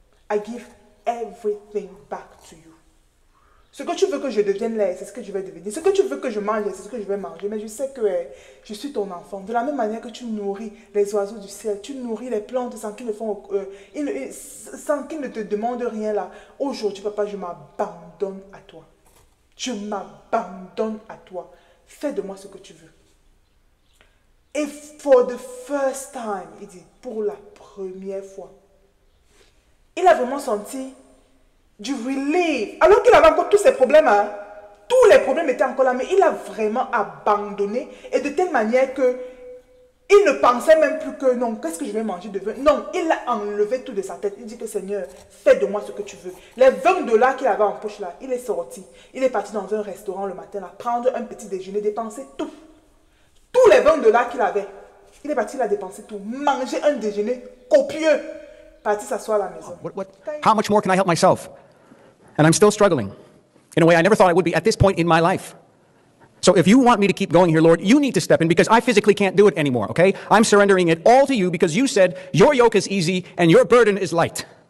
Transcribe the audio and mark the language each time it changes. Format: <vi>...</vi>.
<en>I give everything back to you.</en> <fr>Ce que tu veux que je devienne, là, c'est ce que je vais devenir. Ce que tu veux que je mange, c'est ce que je vais manger. Mais je sais que je suis ton enfant. De la même manière que tu nourris les oiseaux du ciel, tu nourris les plantes sans qu'ils ne font, sans qu'ils ne te demandent rien, là. Aujourd'hui, papa, je m'abandonne à toi. Je m'abandonne à toi. Fais de moi ce que tu veux. Et</fr> <en>for the first time,</en> <fr>il dit, pour la première fois, il a vraiment senti du relief. Alors qu'il avait encore tous ses problèmes, hein? Tous les problèmes étaient encore là, mais il a vraiment abandonné. Et de telle manière que il ne pensait même plus que, non, qu'est-ce que je vais manger de vin? Non, il a enlevé tout de sa tête. Il dit que, Seigneur, fais de moi ce que tu veux. Les 20 dollars qu'il avait en poche là, il est sorti. Il est parti dans un restaurant le matin là, prendre un petit déjeuner, dépenser tout. Tous les 20 dollars qu'il avait, il est parti, il a dépensé tout, manger un déjeuner copieux, parti s'asseoir à la maison.</fr> <en>What? How much more can I help myself? And I'm still struggling. In a way, I never thought I would be at this point in my life. So if you want me to keep going here, Lord, you need to step in because I physically can't do it anymore, okay? I'm surrendering it all to you because you said your yoke is easy and your burden is light.</en>